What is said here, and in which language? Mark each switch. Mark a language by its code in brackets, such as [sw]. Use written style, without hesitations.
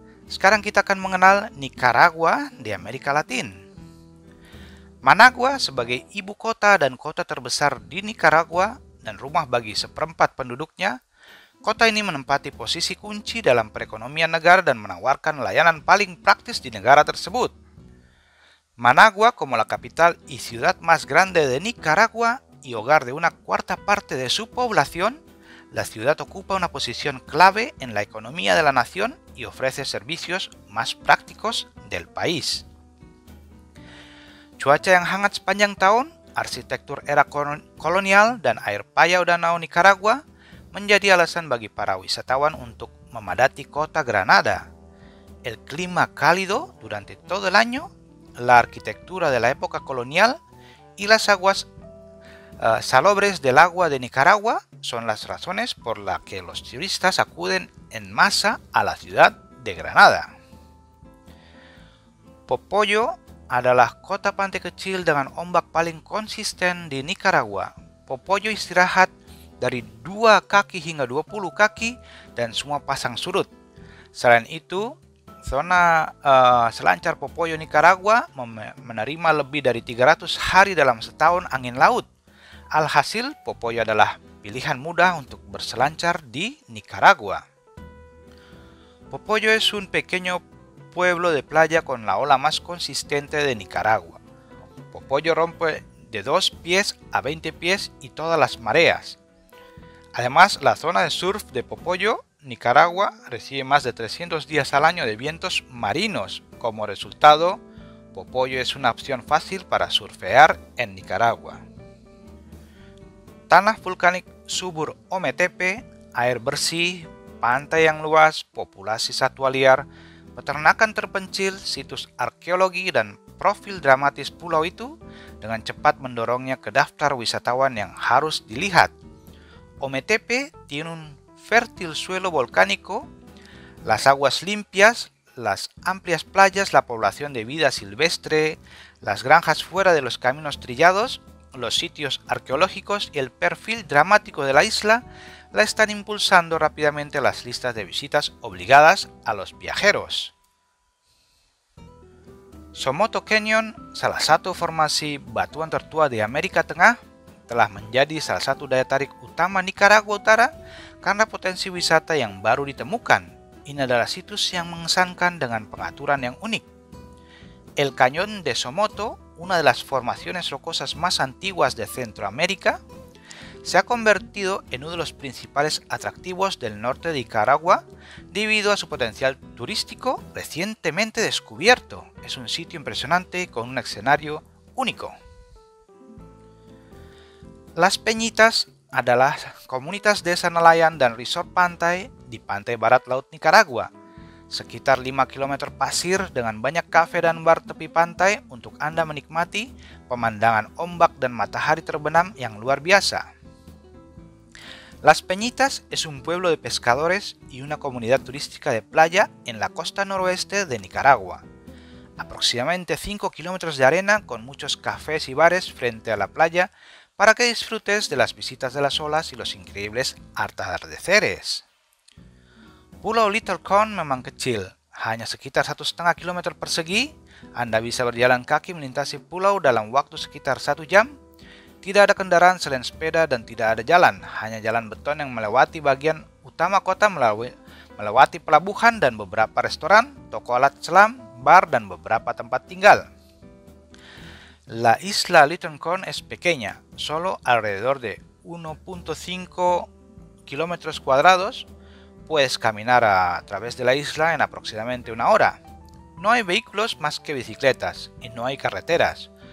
[id] Sekarang kita akan mengenal Nicaragua di Amerika Latin. Managua sebagai ibu kota dan kota terbesar di Nicaragua dan rumah bagi seperempat penduduknya, kota ini menempati posisi kunci dalam perekonomian negara dan menawarkan layanan paling praktis di negara tersebut. [es] Managua, como la capital y ciudad más grande de Nicaragua y hogar de una cuarta parte de su población, la ciudad ocupa una posición clave en la economía de la nación y ofrece servicios más prácticos del país. [id] Cuaca yang hangat sepanjang tahun, arsitektur era kolonial dan air payau danau Nicaragua menjadi alasan bagi para wisatawan untuk memadati kota Granada. [es] El clima cálido durante todo el año, la arquitectura de la época colonial y las aguas salobres del agua de Nicaragua son las razones por las que los turistas acuden en masa a la ciudad de Granada. [id] Popoyo adalah kota pantai kecil dengan ombak paling konsisten di Nicaragua. Popoyo istirahat dari 2 kaki hingga 20 kaki dan semua pasang surut. Selain itu, zona selancar Popoyo Nicaragua menerima lebih dari 300 hari dalam setahun angin laut. Alhasil, Popoyo adalah pilihan mudah untuk berselancar di Nicaragua. [es] Popoyo es un pequeño pueblo de playa con la ola más consistente de Nicaragua. Popoyo rompe de 2 pies a 20 pies y todas las mareas. Además, la zona de surf de Popoyo, Nicaragua, recibe más de 300 días al año de vientos marinos. Como resultado, Popoyo es una opción fácil para surfear en Nicaragua. [id] Tanah vulkanik subur Ometepe, air bersih, pantai yang luas, populasi satwa liar, peternakan terpencil, situs arkeologi, dan profil dramatis pulau itu dengan cepat mendorongnya ke daftar wisatawan yang harus dilihat. [es] Ometepe tiene un fértil suelo volcánico, las aguas limpias, las amplias playas, la población de vida silvestre, las granjas fuera de los caminos trillados, los sitios arqueológicos y el perfil dramático de la isla la están impulsando rápidamente las listas de visitas obligadas a los viajeros. [id] Somoto Canyon, salah satu formasi batuan tertua di Amerika Tengah, telah menjadi salah satu daya tarik utama Nicaragua Utara karena potensi wisata yang baru ditemukan. Ini adalah situs yang mengesankan dengan pengaturan yang unik. [es] El Cañón de Somoto, una de las formaciones rocosas más antiguas de Centroamérica, se ha convertido en uno de los principales atractivos del norte de Nicaragua debido a su potencial turístico recientemente descubierto. Es un sitio impresionante con un escenario único. [id] Las Peñitas adalah komunitas desa nelayan dan resort pantai di pantai barat laut Nicaragua. Sekitar 5 km pasir dengan banyak kafe dan bar tepi pantai untuk Anda menikmati pemandangan ombak dan matahari terbenam yang luar biasa. [es] Las Peñitas es un pueblo de pescadores y una comunidad turística de playa en la costa noroeste de Nicaragua. Aproximadamente 5 kilómetros de arena con muchos cafés y bares frente a la playa para que disfrutes de las visitas de las olas y los increíbles atardeceres. [id] Pulau Little Cone memang kecil, hanya sekitar 1,5 km persegi. Anda bisa berjalan kaki melintasi pulau dalam waktu sekitar 1 jam. Tidak ada kendaraan selain sepeda dan tidak ada jalan, hanya jalan beton yang melewati bagian utama kota melewati pelabuhan dan beberapa restoran, toko alat selam, bar, dan beberapa tempat tinggal. [es] La isla Little Cone es pequeña, solo alrededor de 1,5 kilómetros cuadrados. Puedes caminar a través de la isla en aproximadamente una hora. No hay vehículos más que bicicletas y no hay carreteras.